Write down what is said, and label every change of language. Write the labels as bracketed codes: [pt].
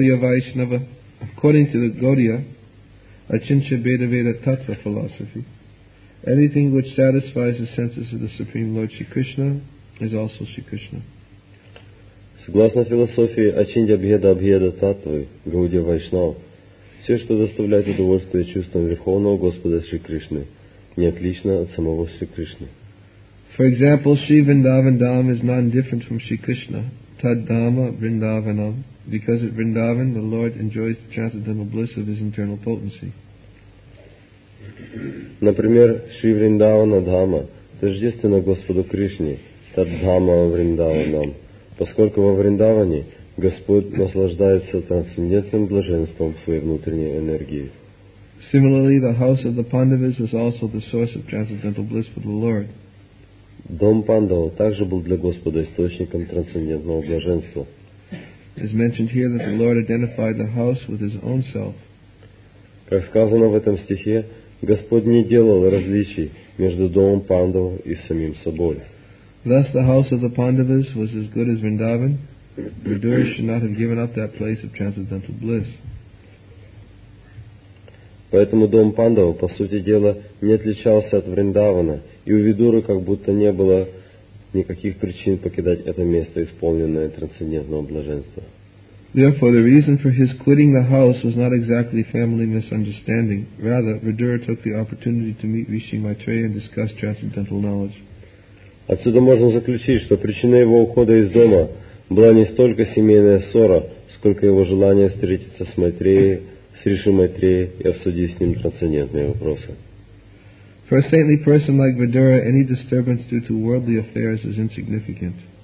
[en] According to the Gaudiya Achincha Bedaveda Tattva philosophy, anything which satisfies the senses of the Supreme Lord Shri Krishna is also Shri Krishna. [ru] Согласно философии Ачинья Бхеда Абхеда Таттвы, Гаудия Вайшнав, все, что доставляет удовольствие чувствам Верховного Господа Шри Кришны, не отлично от самого Шри Кришны. [en] For example, Shri Vrindavanam is non-different from Shri Krishna, [sa] Tad Dhamma Vrindavanam, [en] because at Vrindavan the Lord enjoys the transcendental bliss of His internal potency. [ru] Например, Шри Вриндавана Дхамма тождественна Господу Кришне, [sa] Тад Дхамма Вриндаванам, [ru] поскольку во Вриндаване Господь наслаждается трансцендентным блаженством своей внутренней энергии. [en] Similarly, the house of the Pandavas was also the source of transcendental bliss for the Lord. [ru] Дом Пандава также был для Господа источником трансцендентного блаженства. [en] It's mentioned here that the Lord identified the house with His own self. [ru] Как сказано в этом стихе, Господь не делал различий между домом Пандава и самим собой. [en] Thus the house of the Pandavas was as good as Vrindavan. Vidura should not have given up that place of transcendental bliss. [ru] Поэтому дом Пандава, по сути дела, не отличался от Вриндавана, и у Видуры как будто не было никаких причин покидать это место, исполненное трансцендентного блаженства. [en] Therefore, the reason for his quitting the house was not exactly family misunderstanding. Rather, Vidura took the opportunity to meet Rishi Maitreya and discuss transcendental knowledge. [ru] Отсюда можно заключить, что причина его ухода из дома была не столько семейная ссора, сколько его желание встретиться с Майтреей, с Риши Майтреей и обсудить с ним трансцендентные вопросы. [en] For a saintly person like Vidura, any disturbance due to worldly affairs is insignificant.